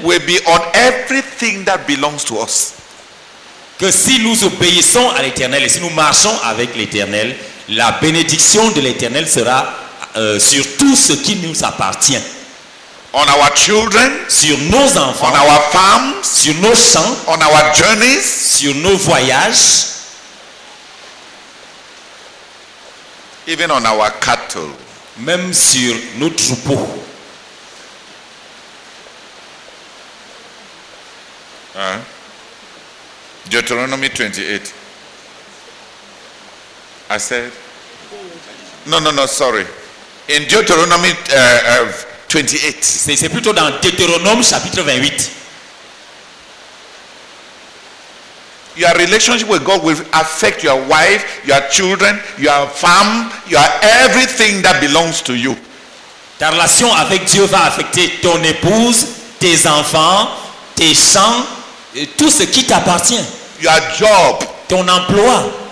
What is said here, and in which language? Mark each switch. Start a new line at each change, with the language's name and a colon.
English: will be on everything that belongs to us.
French: Que si nous obéissons à l'Éternel et si nous marchons avec l'Éternel, la bénédiction de l'Éternel sera sur tout ce qui nous appartient.
English: On our children,
French: sur nos enfants,
English: on our farms,
French: sur nos champs,
English: on our journeys,
French: sur nos voyages,
English: even on our cattle,
French: même sur nos troupeaux.
English: Deuteronomy 28. I said, sorry. In Deuteronomy 28.
French: C'est plutôt dans Deutéronome chapitre 28.
English: Your relationship with God will affect your wife, your children, your farm, your everything that belongs to you.
French: Ta relation avec Dieu va affecter ton épouse, tes enfants, tes champs, tout ce qui t'appartient.
English: Your job.
French: Ton emploi.